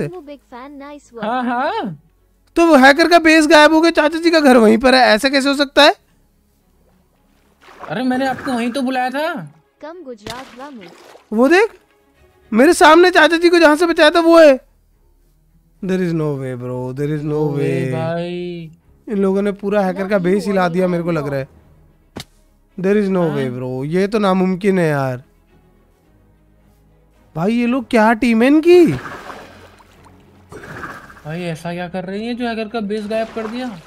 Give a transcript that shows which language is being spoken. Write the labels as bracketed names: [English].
[Hindi] तो वो हैकर का बेस गायब हो गया, चाचा जी का घर वहीं पर है, ऐसा कैसे हो सकता है? अरे मैंने आपको वहीं तो बुलाया था। कम गुजरात वामू। वो देख मेरे सामने चाचा जी को जहाँ से बचाया था वो है। [English] There is no way bro, there is no way. [Hindi] भाई इन लोगों ने पूरा हैकर का बेस हिला दिया मेरे को लग रहा है। [English] There is no way bro, [Hindi] ये तो नामुमकिन है यार। भाई ये लोग क्या टीम है इनकी भाई, ऐसा क्या कर रही है जो हैकर का बेस गायब कर दिया